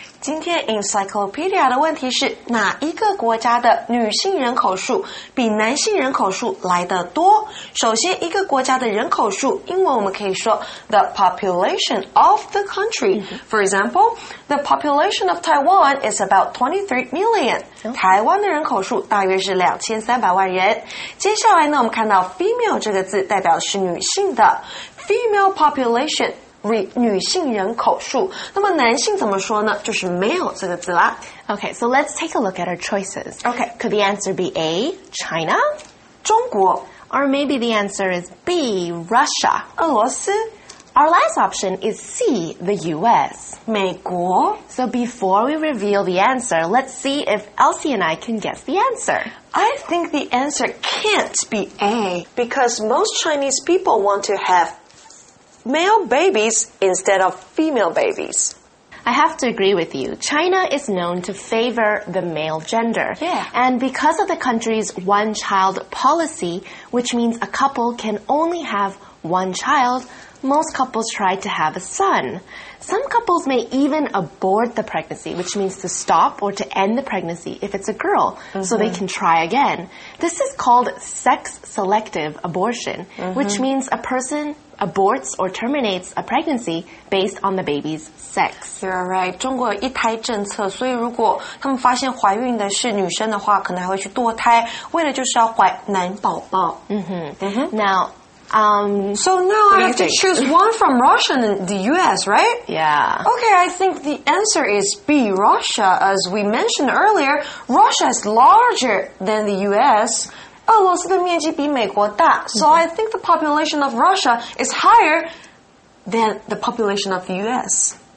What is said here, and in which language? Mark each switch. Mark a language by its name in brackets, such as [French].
[Chinese] 今天 encyclopedia 的问题是哪一个国家的女性人口数比男性人口数来得多？首先，一个国家的人口数，英文我们可以说 [English] the population of the country. For example, the population of Taiwan is about 23 million. [Chinese] 台湾的人口数大约是2300万人。接下来呢，我们看到 female 这个字代表是女性的 female population. 女性人口数那么男性怎么说呢就是 male 这个字啦 [English] Okay, so let's take a look at our choices. Okay, could the answer be A, China? [Chinese] 中国 [English] Or maybe the answer is B, Russia? [Chinese] 俄罗斯 [English] Our last option is C, the US? [Chinese] 美国 [English] So before we reveal the answer, let's see if Elsie and I can guess the answer. I think the answer can't be A, because most Chinese people want to have male babies instead of female babies. I have to agree with you. China is known to favor the male gender. Yeah. And because of the country's one-child policy, which means a couple can only have one child, most couples try to have a son. Some couples may even abort the pregnancy, which means to stop or to end the pregnancy if it's a girl, mm-hmm. so they can try again. This is called sex-selective abortion, mm-hmm. which means a person... aborts or terminates a pregnancy based on the baby's sex. You're right. [Chinese] 中国有一胎政策，所以如果他们发现怀孕的是女生的话，可能还会去堕胎，为了就是要怀男宝宝。 [English] Mm-hmm. Mm-hmm. Now, so now I have to choose one from Russia and the U.S., right? Yeah. Okay, I think the answer is B, Russia. As we mentioned earlier, Russia is larger than the U.S., [Chinese] 俄罗斯的面积比美国大 [English] So I think the population of Russia is higher than the population of the U.S.